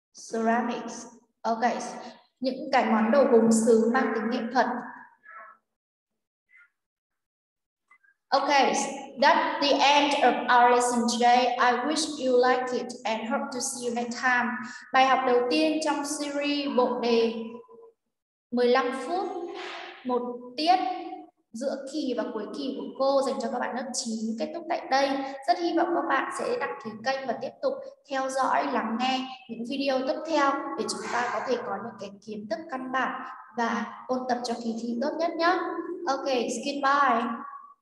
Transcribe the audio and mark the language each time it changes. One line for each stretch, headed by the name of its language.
Vietnamese: Ceramics. Ok, những cái món đồ gốm sứ mang tính nghệ thuật.
English: Ok, that's the end of our lesson today. I wish you like it and hope to see you next time.
Vietnamese: Bài học đầu tiên trong series bộ đề 15 phút một tiết giữa kỳ và cuối kỳ của cô dành cho các bạn lớp 9 kết thúc tại đây. Rất hy vọng các bạn sẽ đăng ký kênh và tiếp tục theo dõi, lắng nghe những video tiếp theo để chúng ta có thể có những cái kiến thức căn bản và ôn tập cho kỳ thi tốt nhất nhé. Ok, goodbye.